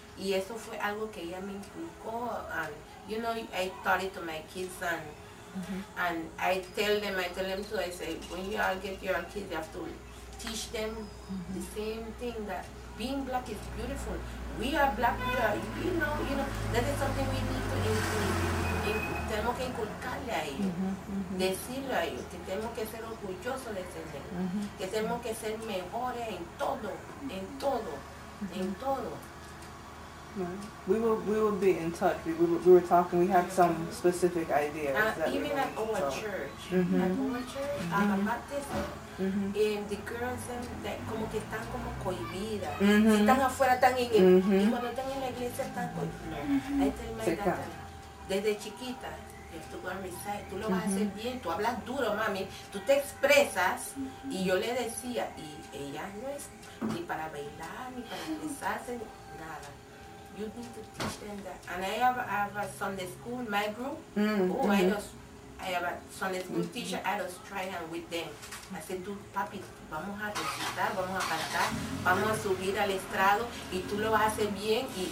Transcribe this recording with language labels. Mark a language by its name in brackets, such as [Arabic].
[Spanish] Y eso fue algo que ella me inculcó, [English] and, you know, I taught it to my kids, and Mm-hmm. And I tell them too, I say, when you all get your kids, you have to teach them mm-hmm. the same thing, that being black is beautiful. We are black, we are, you know, that is something we need to include. [Spanish] Tenemos que inculcarle a ellos, decirle a ellos que tenemos que ser orgullosos de ser negros, que tenemos que ser mejores en todo, en todo, en todo. [English] Right. We will be in touch. We were talking. We had some specific ideas. Even at our church, mm-hmm. at our church, mm-hmm. at Baptist, mm-hmm. and the girls, they [Spanish] como que están como cohibidas. [English] Mm-hmm. [Spanish] Si están afuera, están en el, mm-hmm. y cuando están en la iglesia están cohibidas. Mm-hmm. Ahí está el mensaje. Desde chiquita, tú lo vas a hacer bien. Tú hablas duro, mami. Tú te expresas. Mm-hmm. Y yo le decía, y ella no es ni para bailar ni para expresarse nada. [English] You need to teach them that. And I have a Sunday school, my group. I have a Sunday school mm-hmm. teacher. I just try and with them. I said, [Spanish] tú, papi, vamos a recitar, vamos a cantar, vamos a subir al estrado, y tú lo vas a hacer bien.